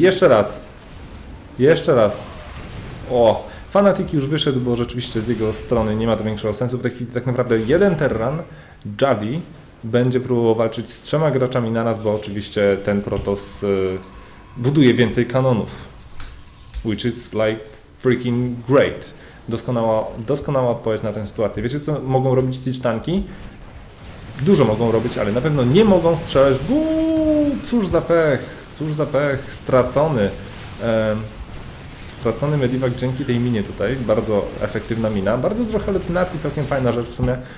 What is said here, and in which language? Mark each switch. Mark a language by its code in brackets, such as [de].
[pl] Jeszcze raz. O, Fnatic już wyszedł, bo rzeczywiście z jego strony nie ma to większego sensu. W tej chwili tak naprawdę jeden Terran, Javi, będzie próbował walczyć z trzema graczami naraz, bo oczywiście ten Protoss buduje więcej kanonów. [en] Which is like freaking great. [pl] Doskonała odpowiedź na tę sytuację. Wiecie, co mogą robić Siege Tanki? Dużo mogą robić, ale na pewno nie mogą strzelać. Cóż za pech. Stracony. Stracony Medivac dzięki tej minie tutaj. Bardzo efektywna mina. Bardzo dużo halucynacji, całkiem fajna rzecz w sumie.